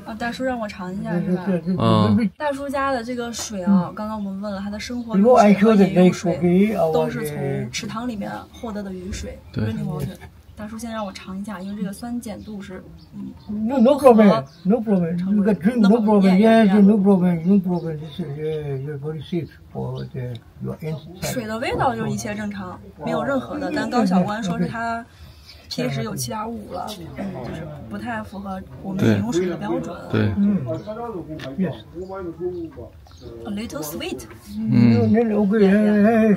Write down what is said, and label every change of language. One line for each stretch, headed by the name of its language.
Chinese: 啊，大叔让我尝一下是吧？嗯。大叔家的这个水啊，刚刚我们问了他的生活用水和饮用水，都是从池塘里面获得的雨水。对。大叔先让我尝一下，因为这个酸碱度是
English: No problem. No problem. You got drink. No problem. Yes, no problem. No problem. This is very safe for the your inside.
Chinese: 水的味道就一切正常，没有任何的。但高小关说是他pH 值有7.5了，就是不太符合我们饮用水的标准。对，嗯
English: ，A little sweet. 嗯